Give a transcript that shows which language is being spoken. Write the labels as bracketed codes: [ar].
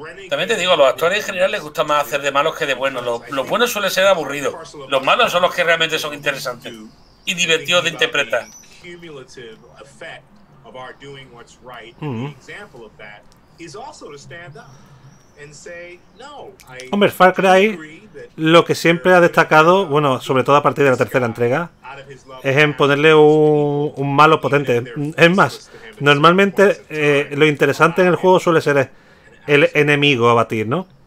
[es] También te digo, a los actores en general les gusta más hacer de malos que de buenos. Los buenos suelen ser aburridos. Los malos son los que realmente son interesantes y divertidos de interpretar. [en] Cumulative effect of our doing what's right. Mm-hmm. An example of that is also to stand up and say no. [es] Hombre, Far Cry, lo que siempre ha destacado, bueno, sobre todo a partir de la tercera entrega, es en ponerle un malo potente. Es más, normalmente lo interesante en el juego suele ser el enemigo a batir, ¿no?